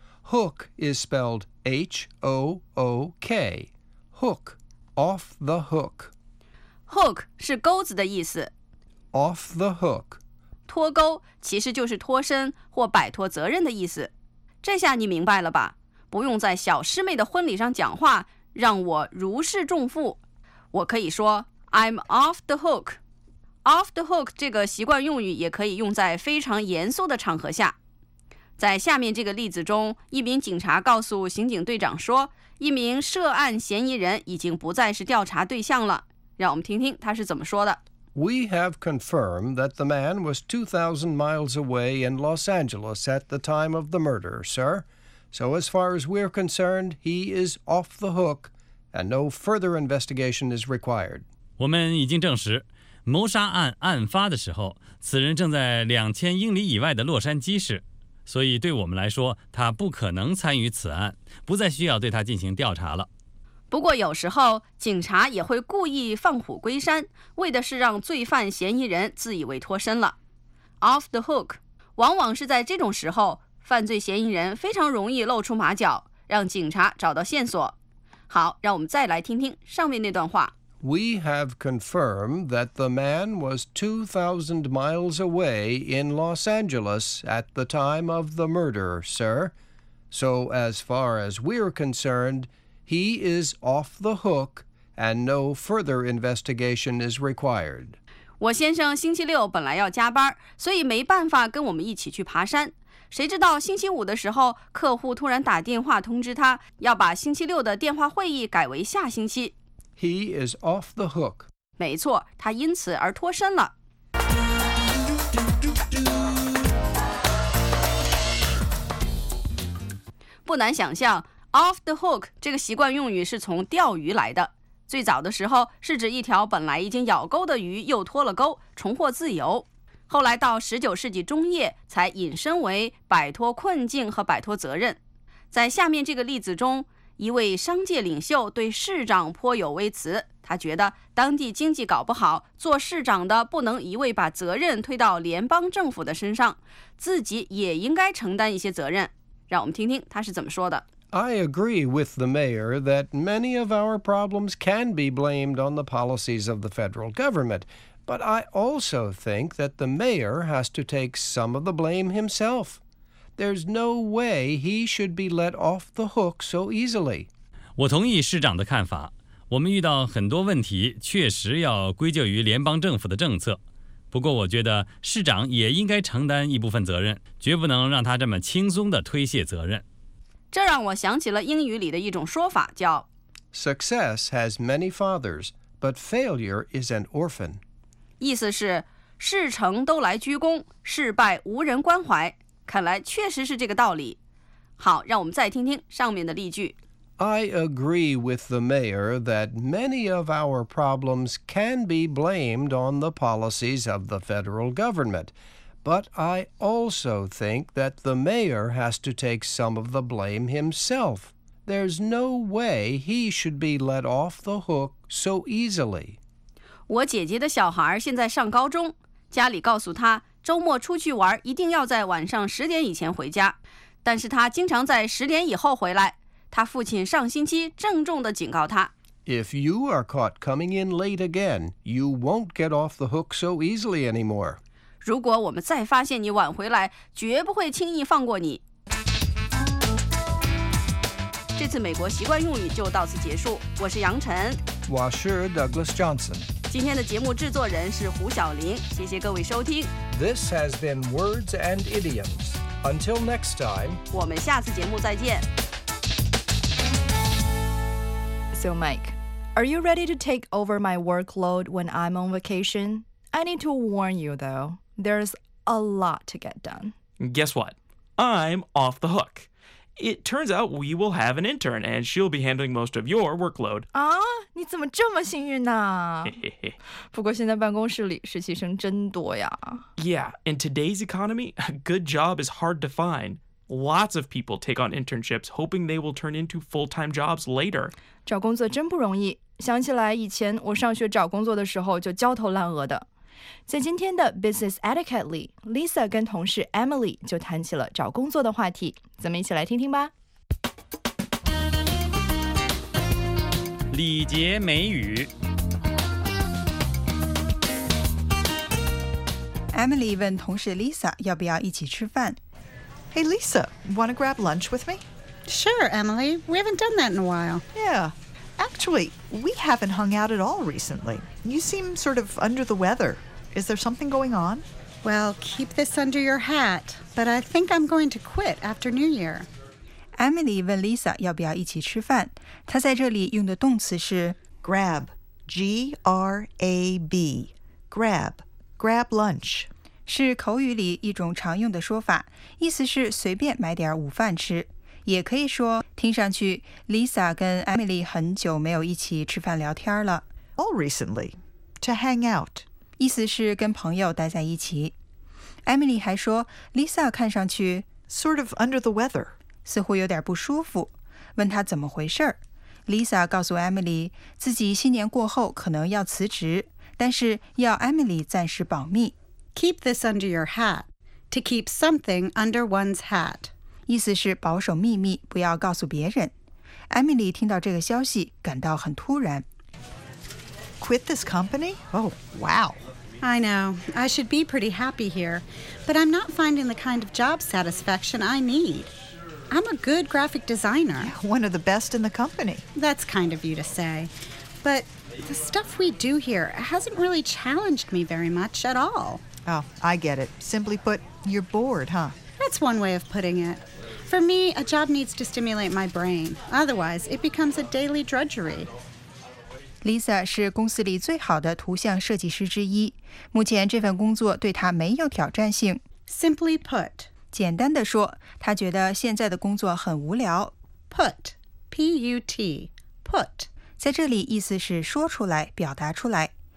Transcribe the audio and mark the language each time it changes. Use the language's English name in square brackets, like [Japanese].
[English] Hook is spelled H-O-O-K, hook, off the hook. [Chinese] Hook 是钩子的意思。 [English] Off the hook. [Chinese] 脱钩其实就是脱身或摆脱责任的意思。这下你明白了吧？不用在小师妹的婚礼上讲话，让我如释重负。我可以说 [English] I'm off the hook. Off the hook [Chinese] 这个习惯用语也可以用在非常严肃的场合下。在下面这个例子中，一名警察告诉刑警队长说，一名涉案嫌疑人已经不再是调查对象了。让我们听听他是怎么说的。 [English] We have confirmed that the man was 2,000 miles away in Los Angeles at the time of the murder, sir. So as far as we're concerned, he is off the hook and no further investigation is required. [Chinese] 我们已经证实谋杀案案发的时候，此人正在2000英里以外的洛杉矶市，所以对我们来说，他不可能参与此案，不再需要对他进行调查了。不过有时候，警察也会故意放虎归山，为的是让罪犯嫌疑人自以为脱身了。 [English] Off the hook， [Chinese] 往往是在这种时候，犯罪嫌疑人非常容易露出马脚，让警察找到线索。好，让我们再来听听上面那段话。 [English] We have confirmed that the man was 2,000 miles away in Los Angeles at the time of the murder, sir. So as far as we're concerned, he is off the hook and no further investigation is required. [Chinese] 我先生星期六本来要加班，所以没办法跟我们一起去爬山。谁知道星期五的时候，客户突然打电话通知他要把星期六的电话会议改为下星期。 [English] He is off the hook. [Chinese] 没错，他因此而脱身了。不难想象 ， [English] off the hook [Chinese] 这个习惯用语是从钓鱼来的。最早的时候，是指一条本来已经咬钩的鱼又脱了钩，重获自由。后来到19世纪中叶，才引申为摆脱困境和摆脱责任。在下面这个例子中。一位商界领袖对市长颇有微词，他觉得当地经济搞不好，做市长的不能一味把责任推到联邦政府的身上，自己也应该承担一些责任。让我们听听他是怎么说的。 [English] I agree with the mayor that many of our problems can be blamed on the policies of the federal government, but I also think that the mayor has to take some of the blame himself. There's no way he should be let off the hook so easily. [Chinese] 我同意市长的看法，我们遇到很多问题确实要归咎于联邦政府的政策。不过我觉得市长也应该承担一部分责任，绝不能让他这么轻松地推卸责任。这让我想起了英语里的一种说法叫 [English] Success has many fathers, but failure is an orphan. [Chinese] 意思是事成都来鞠躬，事败无人关怀。看来确实是这个道理。好，让我们再听听上面的例句。 [English] I agree with the mayor that many of our problems can be blamed on the policies of the federal government. But I also think that the mayor has to take some of the blame himself. There's no way he should be let off the hook so easily. [Chinese] 我姐姐的小孩现在上高中，家里告诉她周末出去玩一定要在晚上十点以前回家，但是她经常在十点以后回来。她父亲上星期郑重地警告她。 [English] If you are caught coming in late again, you won't get off the hook so easily anymore. [Chinese] 如果我们再发现你晚回来，绝不会轻易放过你。这次美国习惯用语就到此结束，我是杨晨，我是 Douglas Johnson。今天的节目制作人是胡晓玲，谢谢各位收听。 [English] This has been Words and Idioms. Until next time, [Chinese] 我们下次节目再见。 [English] So Mike, are you ready to take over my workload when I'm on vacation? I need to warn you though, there's a lot to get done. Guess what? I'm off the hook. It turns out we will have an intern and she'll be handling most of your workload. [Chinese] 啊，你怎么这么幸运呢？不过现在办公室里实习生真多呀。 [English] Yeah, in today's economy, a good job is hard to find. Lots of people take on internships hoping they will turn into full-time jobs later. [Chinese] 找工作真不容易，想起来以前我上学找工作的时候就焦头烂额的。在今天的 Business Etiquette 里 ，Lisa 跟同事 Emily 就谈起了找工作的话题，咱们一起来听听吧。礼节美语。 Emily 问同事 Lisa 要不要一起吃饭。 [English] Hey Lisa, want to grab lunch with me? Sure, Emily. We haven't done that in a while. Yeah. Actually, we haven't hung out at all recently. You seem sort of under the weather. Is there something going on? Well, keep this under your hat, but I think I'm going to quit after New Year. [Chinese] Emily 问 Lisa 要不要一起吃饭。她在这里用的动词是 [English] grab, G-R-A-B, grab, grab lunch. [Chinese] 是口语里一种常用的说法，意思是随便买点午饭吃。也可以说，听上去 Lisa 跟 Emily 很久没有一起吃饭聊天了。 [English] All recently, to hang out. [Chinese] 意思是跟朋友待在一起。Emily 还说 ,Lisa 看上去 [English] sort of under the weather. [Chinese] 似乎有点不舒服，问她怎么回事。Lisa 告诉 Emily, 自己新年过后可能要辞职，但是要 Emily 暂时保密。 [English] Keep this under your hat, to keep something under one's hat. [Chinese] 意思是保守秘密，不要告诉别人。Emily 听到这个消息，感到很突然。 [English] Quit this company? Oh, wow. I know. I should be pretty happy here. But I'm not finding the kind of job satisfaction I need. I'm a good graphic designer. One of the best in the company. That's kind of you to say. But the stuff we do here hasn't really challenged me very much at all. Oh, I get it. Simply put, you're bored, huh? That's one way of putting it. For me, a job needs to stimulate my brain. Otherwise, it becomes a daily drudgery. [Chinese] Lisa 是公司里最好的图像设计师之一。目前这份工作对她没有挑战性。 [English] Simply put. [Chinese] 简单地说，她觉得现在的工作很无聊。 [English] Put. P-U-T. Put. [Chinese] 在这里意思是说出来，表达出来。